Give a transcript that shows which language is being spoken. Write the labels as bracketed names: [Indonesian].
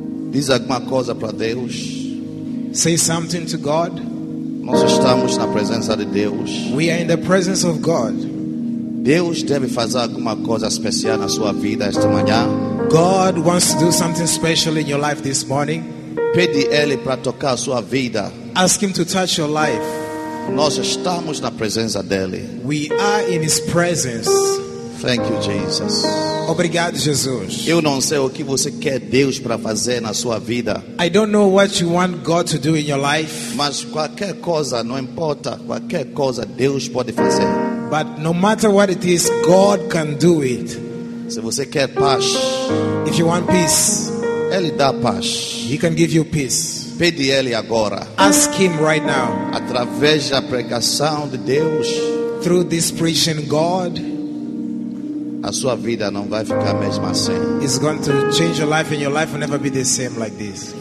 [Portuguese] Diz alguma coisa para Deus. [English] Say something to God. [Portuguese] Nós estamos na presença de Deus. [English] We are in the presence of God. [Portuguese] Deus deve fazer alguma coisa especial na sua vida esta manhã. [English] God wants to do something special in your life this morning. [Portuguese] Pede Ele para tocar a sua vida. [English] Ask Him to touch your life. [Portuguese] Nós estamos na presença dEle. [English] We are in His presence. Thank you, Jesus. [Portuguese] Obrigado, Jesus. Eu não sei o que você quer Deus para fazer na sua vida. [English] I don't know what you want God to do in your life. [Portuguese] Mas qualquer coisa, não importa, qualquer coisa Deus pode fazer. [English] But no matter what it is, God can do it. [Portuguese] Se você quer paz, [English] if you want peace, [Portuguese] Ele dá paz. [English] He can give you peace. [Portuguese] Pede Ele agora. [English] Ask Him right now. [Portuguese] Através da pregação de Deus, [English] through this preaching, God, [Portuguese] a sua vida não vai ficar mesmo assim. [English] It's going to change your life, and your life will never be the same like this.